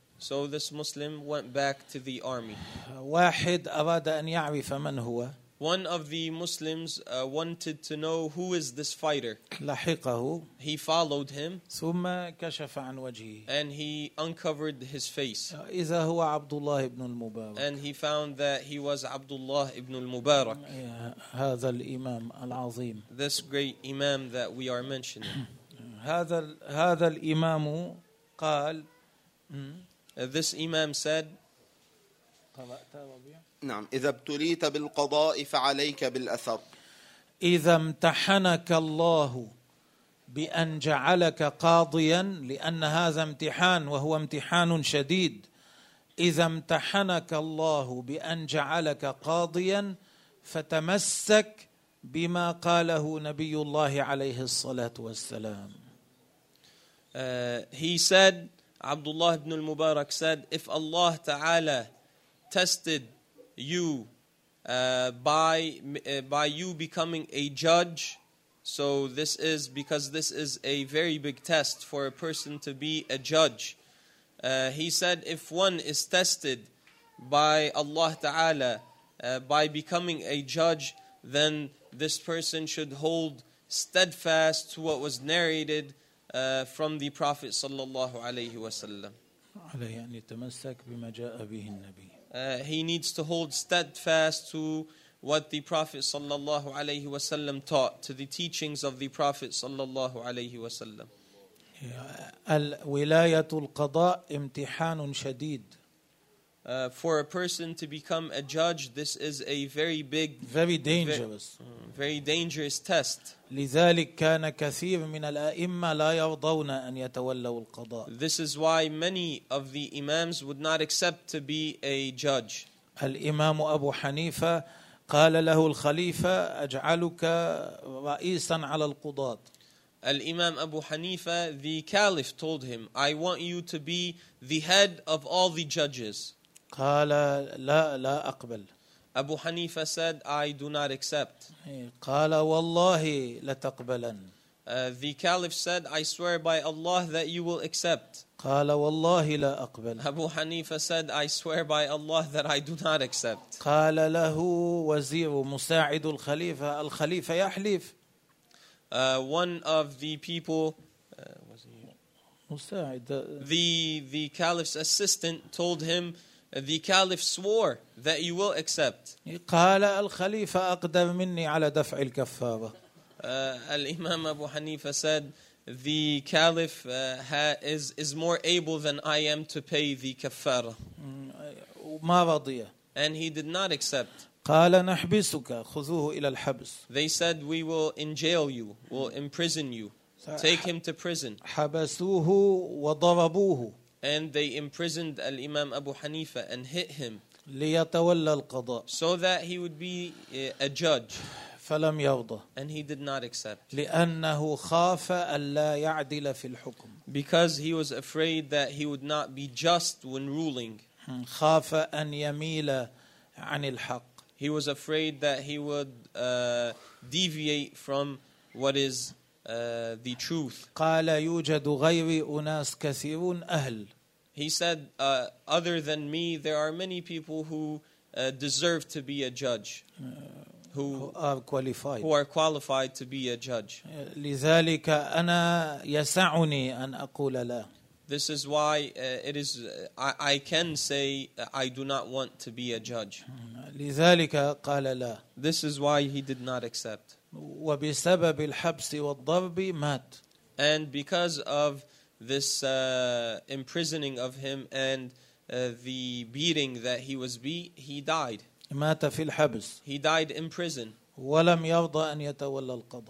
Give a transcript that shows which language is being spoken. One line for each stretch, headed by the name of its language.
English: So this Muslim went back to the army.
Arabic: واحد أراد أن يعرف من هو.
English: One of the Muslims wanted to know who is this fighter.
Arabic: لحقه.
English: He followed him.
Arabic: ثم كشف عن وجهه.
English: And he uncovered his face.
Arabic: إذا هو عبد الله بن المبارك.
English: And he found that he was Abdullah ibn al-Mubarak.
Arabic: هذا الإمام العظيم.
English: This great Imam that we are mentioning.
Arabic: هذا الإمام قال.
English: This Imam said,
Arabic: نعم إذا ابتليت بالقضاء فعليك بالأثر. إذا امتحنك الله بأن جعلك قاضيا لأن هذا امتحان وهو امتحان شديد. إذا امتحنك الله بأن جعلك قاضيا فتمسك بما قاله نبي الله عليه الصلاة والسلام.
English: He said, Abdullah ibn al-Mubarak said, if Allah Ta'ala tested you by you becoming a judge, so this is because this is a very big test for a person to be a judge. He said, if one is tested by Allah Ta'ala by becoming a judge, then this person should hold steadfast to what was narrated from the Prophet sallallahu alayhi wa sallam.
Arabic: عليه أن يتمسك بما جاء به النبي.
English: He needs to hold steadfast to what the Prophet sallallahu alayhi wa sallam taught, to the teachings of the Prophet sallallahu alayhi wa sallam.
Arabic: الولاية القضاء امتحان شديد.
English: For a person to become a judge, this is a very big, very dangerous, very dangerous test.
Arabic: لذلك كان كثير من الأئمة لا يرضون أن يتولوا القضاء.
English: This is why many of the imams would not accept to be a judge.
Arabic: الإمام أبو حنيفة قال له الخليفة أجعلك رئيسا على القضاة.
English: الإمام أبو حنيفة, the caliph told him, I want you to be the head of all the judges.
Arabic: قال لا لا أقبل.
English: أبو حنيفة said, I do not accept.
Arabic: قال والله لتقبلن.
English: The caliph said, I swear by Allah that you will accept.
Arabic: قال والله لا أقبل.
English: أبو حنيفة said, I swear by Allah that I do not accept.
Arabic: قال له وزير مساعد الخليفة, الخليفة يحلف.
English: One of the people, the caliph's assistant told him, the caliph swore that you will accept.
Arabic: قال الخليفة أقدم مني على دفع الكفارة.
English: الإمام أبو حنيفة said, the caliph is more able than I am to pay the كفارة.
Arabic: ما رضي.
English: And he did not accept.
Arabic: قال نحبسك خذوه إلى الحبس.
English: They said, we will jail you, will imprison you, take him to prison.
Arabic: حبسوه وضربوه.
English: And they imprisoned الإمام أبو حنيفة and hit him.
Arabic: ليتولى القضاء.
English: So that he would be a judge.
Arabic: فلم يرضى.
English: And he did not accept.
Arabic: لأنه خاف ألا يعدل في الحكم.
English: Because he was afraid that he would not be just when ruling.
Arabic: خاف أن يميل عن الحق.
English: He was afraid that he would deviate from what is the truth.
Arabic: قال يوجد غيري أناس كثيرون أهل.
English: He said, other than me, there are many people who deserve to be a judge, who are qualified to be a judge.
Arabic: لذلك أنا يسعني أن أقول لا.
English: This is why it is. I can say I do not want to be a judge.
Arabic: لذلك قال لا.
English: This is why he did not accept.
Arabic: وبسبب الحبس والضرب مات.
English: And because of this imprisoning of him and the beating that he was beat, he died.
Arabic: مات في الحبس.
English: He died in prison.
Arabic: ولم يرضى أن يتولى القضاء.